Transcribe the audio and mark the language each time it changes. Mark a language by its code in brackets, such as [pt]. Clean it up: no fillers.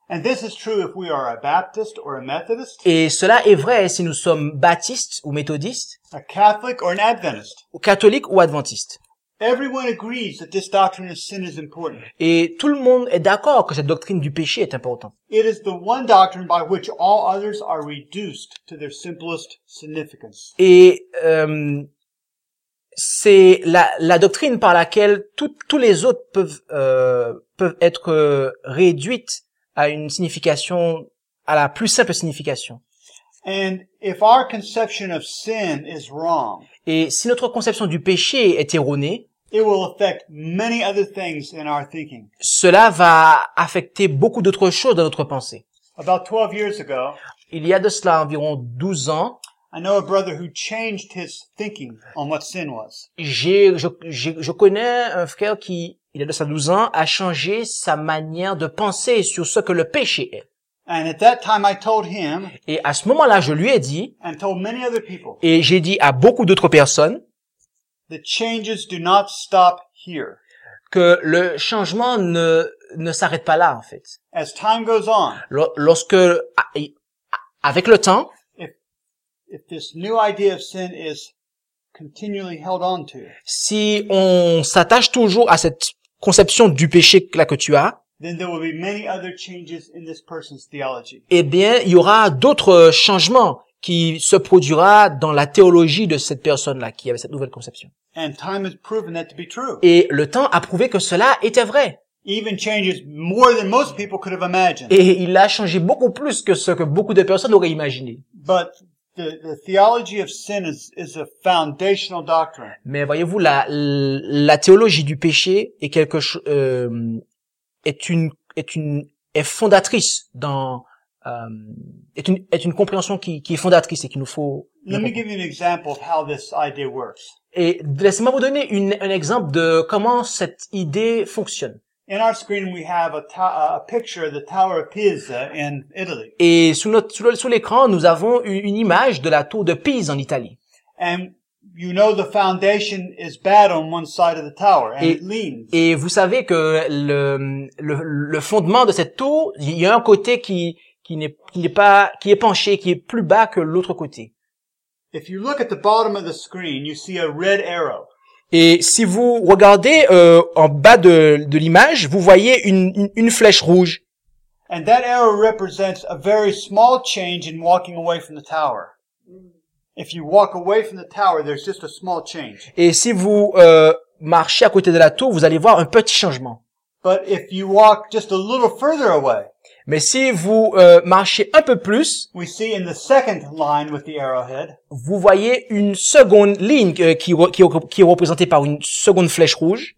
[en] And this is true if we are a Baptist or a Methodist. [fr] Et cela est vrai si nous sommes baptistes ou méthodistes. [en] A Catholic or an Adventist. [fr] Ou catholique ou adventiste. [en] Everyone agrees that this doctrine of sin is important. [fr] Et tout le monde est d'accord que cette doctrine du péché est importante. [en] It is the one doctrine by which all others are reduced to their simplest significance. [fr] Et c'est la doctrine par laquelle tous les autres peuvent être réduites à une signification, à la plus simple signification. [en] And if our conception of sin is wrong, [fr] et si notre conception du péché est erronée, [en] it will affect many other things in our thinking. [fr] Cela va affecter beaucoup d'autres choses dans notre pensée. [en] About 12 years ago, [fr] il y a de cela environ 12 ans, [en] I know a brother who changed his thinking on what sin was. [fr] Je connais un frère qui, il y a de ça 12 ans, a changé sa manière de penser sur ce que le péché est. [en] And at that time I told him, [fr] et à ce moment-là, je lui ai dit, [en] and told many other people, [fr] et j'ai dit à beaucoup d'autres personnes, [en] the changes do not stop here. [fr] Que le changement ne s'arrête pas là, en fait. [en] As time goes on, [fr] lorsque, avec le temps, [en] if this new idea of sin is continually held on to. [fr] Si on s'attache toujours à cette conception du péché là que tu as, [en] then there will be many other changes in this person's theology. [fr] Eh bien, il y aura d'autres changements qui se produira dans la théologie de cette personne là qui avait cette nouvelle conception. [en] And time has proven that to be true. [fr] Et le temps a prouvé que cela était vrai. [en] Even changes more than most people could have imagined. [fr] Et il a changé beaucoup plus que ce que beaucoup de personnes auraient imaginé. [en] But the theology of sin is a foundational doctrine. [fr] Mais voyez-vous, la théologie du péché est quelque chose est fondatrice dans est une compréhension qui est fondatrice et qu'il nous faut. [en] Let me give you an example of how this idea works. [fr] Et laissez-moi vous donner un exemple de comment cette idée fonctionne. [en] In our screen, we have a picture of the Tower of Pisa in Italy. [fr] Et sous l'écran, nous avons une image de la tour de Pise en Italie. [en] And you know the foundation is bad on one side of the tower, and it leans. [fr] Et vous savez que le fondement de cette tour, il y a un côté qui est penché, qui est plus bas que l'autre côté. [en] If you look at the bottom of the screen, you see a red arrow. [fr] Et si vous regardez en bas de l'image, vous voyez une flèche rouge. [en] And that arrow represents a very small change in walking away from the tower. If you walk away from the tower, there's just a small change. [fr] Et si vous marchez à côté de la tour, vous allez voir un petit changement. [en] But if you walk just a little further away. [fr] Mais si vous marchez un peu plus, [en] we see in the second line with the arrowhead, [fr] vous voyez une seconde ligne qui est représentée par une seconde flèche rouge.